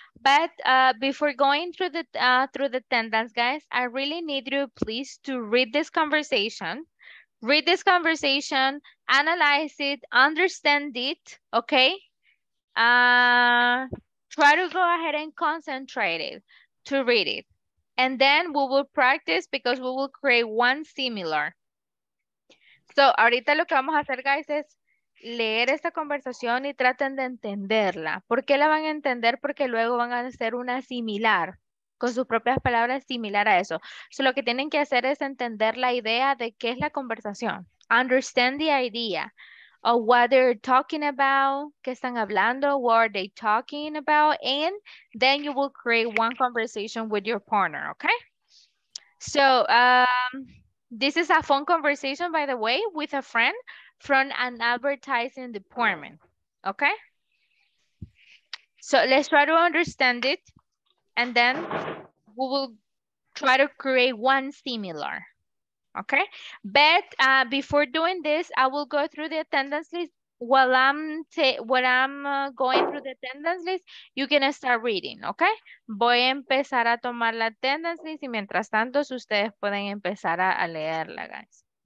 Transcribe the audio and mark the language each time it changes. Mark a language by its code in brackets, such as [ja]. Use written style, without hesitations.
[en] But before going through the attendance, guys, I really need you please to read this conversation. Read this conversation, analyze it, understand it, okay? Try to go ahead and concentrate it to read it. And then we will practice because we will create one similar. [es] So ahorita lo que vamos a hacer, guys, es leer esta conversación y traten de entenderla. ¿Por qué la van a entender? Porque luego van a hacer una similar, con sus propias palabras, similar a eso. So lo que tienen que hacer es entender la idea de qué es la conversación. [en] Understand the idea of what they're talking about, [es] qué están hablando, [en] what are they talking about, and then you will create one conversation with your partner, okay? So, this is a phone conversation, by the way, with a friend from an advertising department, okay? So let's try to understand it, and then we will try to create one similar, okay? But before doing this, I will go through the attendance list. While I'm going through the attendance list, you can start reading, okay? [es] Voy a empezar a tomar la [en] attendance list [es] y mientras tanto, ustedes pueden empezar a leerla, guys.